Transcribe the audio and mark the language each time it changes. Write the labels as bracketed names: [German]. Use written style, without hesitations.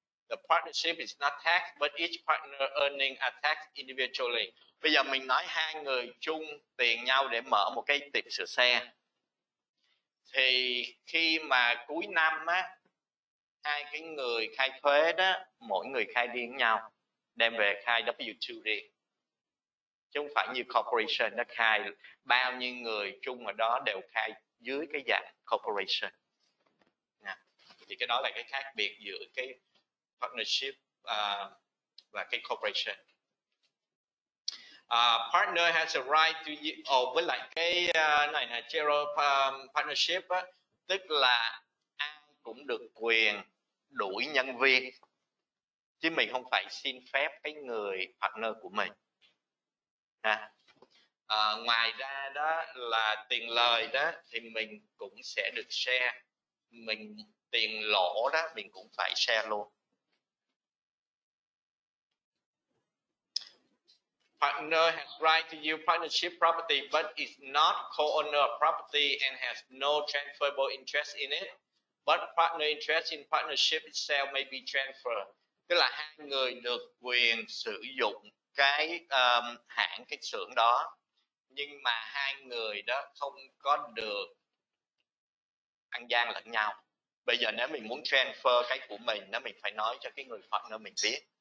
[English] The partnership is not taxed, but each partner earning a tax individually. [Vietnamese] Bây giờ mình nói hai người chung tiền nhau để mở một cái tiệm sửa xe. Thì khi mà cuối năm á, hai cái người khai thuế đó, mỗi người khai riêng nhau, đem về khai W2 riêng. Chứ không phải như corporation đã khai, bao nhiêu người chung ở đó đều khai dưới cái dạng corporation. Nha. Thì cái đó là cái khác biệt giữa cái partnership và cái corporation. [English] Partner has a right to use, [Vietnamese] với lại cái này là general partnership á, tức là ai cũng được quyền đuổi nhân viên chứ mình không phải xin phép cái người partner của mình. Ngoài ra đó là tiền lời đó thì mình cũng sẽ được share, mình tiền lỗ đó mình cũng phải share luôn. [English] Partner has right to use partnership property but is not co-owner of property and has no transferable interest in it. But partner interest in partnership itself may be transferred. [Vietnamese] Tức là hai người được quyền sử dụng cái hãng, cái xưởng đó. Nhưng mà hai người đó không có được ăn gian lẫn nhau. Bây giờ nếu mình muốn transfer cái của mình, nếu mình phải nói cho cái người partner mình biết.